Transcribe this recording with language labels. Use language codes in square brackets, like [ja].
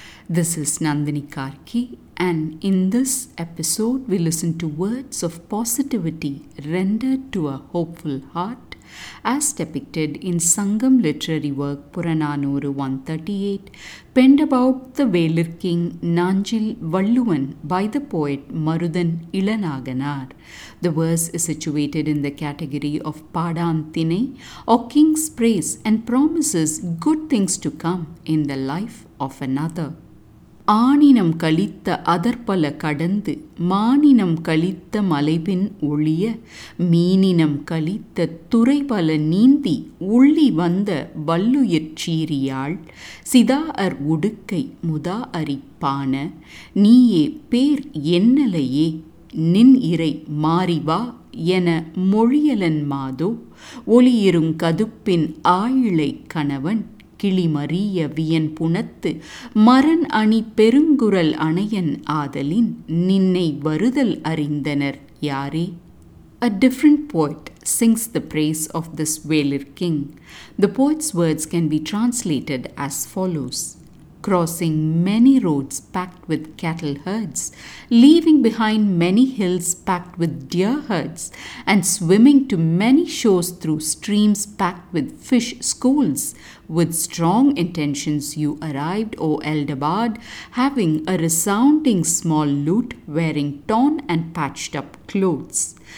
[en] This is Nandini Karki, and in this episode we listen to words of positivity rendered to a hopeful heart as depicted in Sangam literary work Puranaanooru 138, penned about the Velir King Naanjil Valluvan by the poet Maruthan Ilanaakanaar. The verse is situated in the category of Paadaan Thinai, or King's praise, and promises good things to come in the life of another. [ta] ஆனினம் கழித்த அதற்பல கடந்து மானினம் கழித்த மலைபின் ஒளிய மீனினம் கழித்த துறைபல நீந்தி உள்ளி வந்த வல்லுயிற்சீரியாள் சிதா அர் உடுக்கை முதா அரிப்பான நீயே பேர் என்னலையே நின் இறை மாறிவா என மொழியலன் மாதோ ஒளியிருங் கதுப்பின் ஆயிளை கணவன் கிளிமறிய வியன் புணத்து மரன் அணி பெருங்குரல் அணையன் ஆதலின் நின்னை வருதல் அறிந்தனர் யாரே. [en] A different poet sings the praise of this Velir king. The poet's words can be translated as follows. Crossing many roads packed with cattle herds, leaving behind many hills packed with deer herds, and swimming to many shores through streams packed with fish schools, with strong intentions you arrived, O elder bard, having a resounding small lute, wearing torn and patched up clothes.